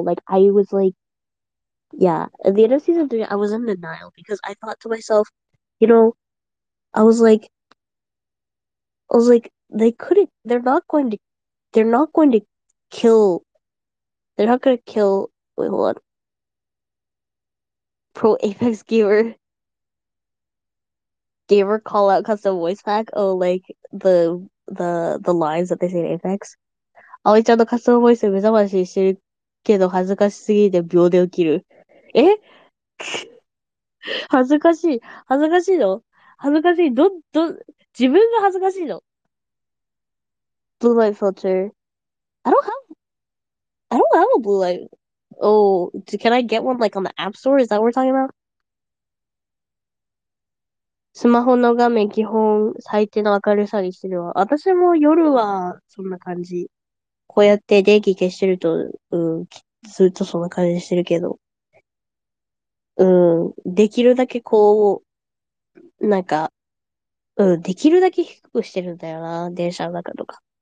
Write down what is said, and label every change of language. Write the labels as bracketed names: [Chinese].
[English] Like I was like, yeah, at the end of season three, I was in denial because I thought to myself, you know, I was like, they couldn't, they're not going to kill, they're not going to kill, wait, hold on. Pro Apex gamer call out custom voice pack. Oh, like the lines that they say in Apex. [Japanese] あおいちゃんのカスタムボイス目覚ましにしてるけど恥ずかしすぎて秒で起きる。え？恥ずかしい。恥ずかしいの？恥ずかしい。自分が恥ずかしいの？ [English] Blue light filter. I don't have a blue light. Oh, can I get one like on the app store? Is that what we're talking about? [Japanese] スマホの画面基本最低の明るさにしてるわ。私も夜はそんな感じ。こうやって電気消してると、ずっとそんな感じしてるけど。できるだけこう、なんか、できるだけ低くしてるんだよな、電車の中とか。